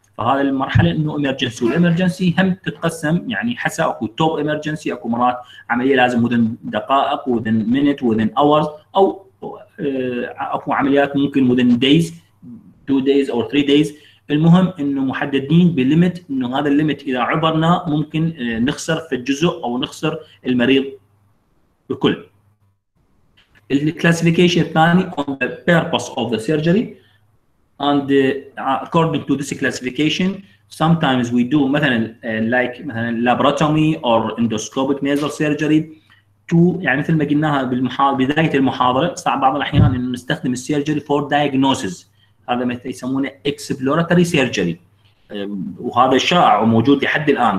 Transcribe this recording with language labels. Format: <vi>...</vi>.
<ar>فهذا المرحله انه امرجنسي. والامرجنسي هم تتقسم يعني حسب، اكو توب امرجنسي، اكو مرات عمليه لازم وذن دقائق</ar> <en>within minute within hours,</en> <ar>او اكو عمليات ممكن</ar> <en>within days,</en> <ar>2 دايز او 3 دايز. المهم انه محددين بليمت، انه هذا الليمت اذا عبرنا ممكن نخسر في الجزء او نخسر المريض بكل. الكلاسيفيكيشن الثاني</ar> <en>on the purpose of the surgery. And according to this classification, sometimes we do</en> <ar>مثلا</ar> <en>laparotomy or endoscopic nasal surgery to</en> <ar>يعني مثل ما قلناها بالمحاضرة، بداية المحاضرة، صعب بعض الأحيان إنه نستخدم السيرجري</ar> <en>for diagnosis.</en> <ar>هذا مثل يسمونه</ar> <en>exploratory surgery،</en> <ar>وهذا شائع وموجود لحد الآن.</ar>